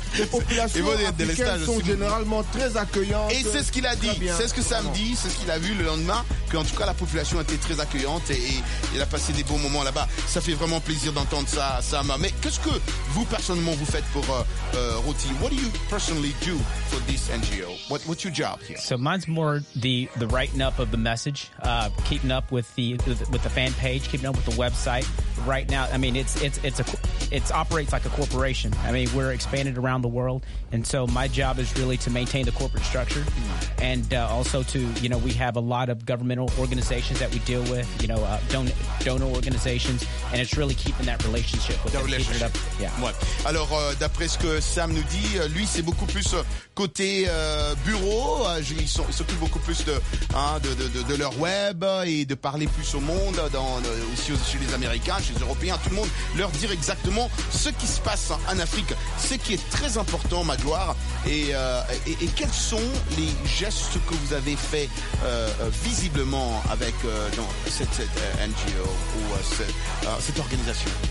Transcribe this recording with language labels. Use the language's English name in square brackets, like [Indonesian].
[French] Les populations bon, africaines sont aussi généralement très accueillantes. Et c'est ce qu'il a dit. C'est ce que Sam dit. C'est ce qu'il a vu le lendemain. Qu'en tout cas, la population était très accueillante et il a passé des bons moments là-bas. Ça fait vraiment plaisir d'entendre ça, Sam. Mais qu'est-ce que vous personnellement vous faites pour Roti? [English] What do you personally do for this NGO? What's your job here? So mine's more the writing up of the message, keeping up with the fan page, keeping up with the website. Right now, I mean, it operates like a corporation. I mean, we're expanded around the world, and so my job is really to maintain the corporate structure, and also to, you know, we have a lot of governmental organizations that we deal with, you know, donor organizations, and it's really keeping that relationship with them, keeping it up. Yeah. [French] Ouais. Alors, d'après ce que Sam nous dit, lui, c'est beaucoup plus côté bureau. Ils s'occupent beaucoup plus de leur web et de parler plus au monde, aussi chez les Américains, chez les Européens, tout le monde, leur dire exactement ce qui se passe en Afrique, ce qui est très important, Magloire, et quels sont les gestes que vous avez faits visiblement avec cette NGO ou cette organisation.